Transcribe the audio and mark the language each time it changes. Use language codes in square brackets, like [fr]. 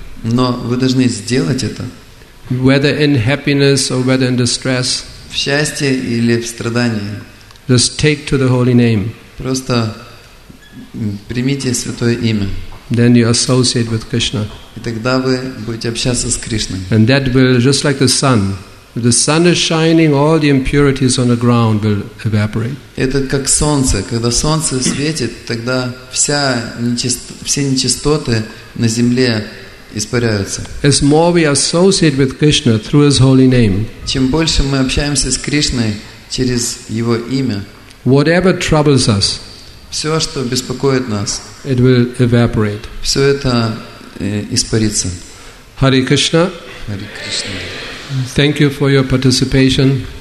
[ru] Но вы должны сделать это. [en] Whether in happiness or whether in distress. [ru] В счастье или в страдании. [en] Just take to the holy name. [ru] Просто примите святое имя. [en] Then you associate with Krishna. [ru] И тогда вы будете общаться с Кришной. [en] And that will, just like the sun, if the sun is shining, all the impurities on the ground will evaporate. [ru] Это как солнце. Когда солнце светит, тогда все нечистоты на земле испаряются. [en] As more we associate with Krishna through His holy name, [ru] чем больше мы общаемся с Кришной через Его имя, [en] whatever troubles us, [ru] все, что беспокоит нас, [en] it will evaporate. [ru] Все это испарится. [sa] Hare Krishna. Hare Krishna. [en] Thank you for your participation.